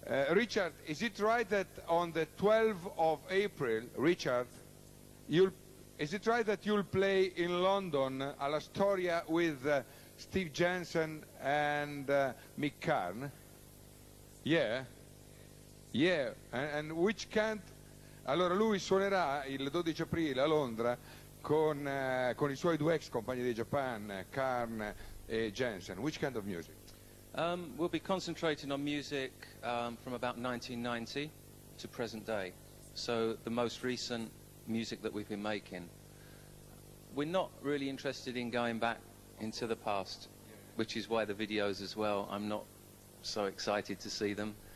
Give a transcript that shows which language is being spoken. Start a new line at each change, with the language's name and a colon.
English: Richard, is it right that on the 12th of April, Richard, is it right that you'll play in London a La Storia with Steve Jensen and Mick Karn? Yeah? Yeah, and which can't...
Italian: Allora, lui suonerà il 12 aprile a Londra con i suoi due ex compagni di Japan, Karn e Jensen.
English: Which kind of music? We'll be concentrating on music from about 1990 to present day. So the most recent music that we've been making. We're not really interested in going back into the past, which is why the videos as well, I'm not so excited to see them.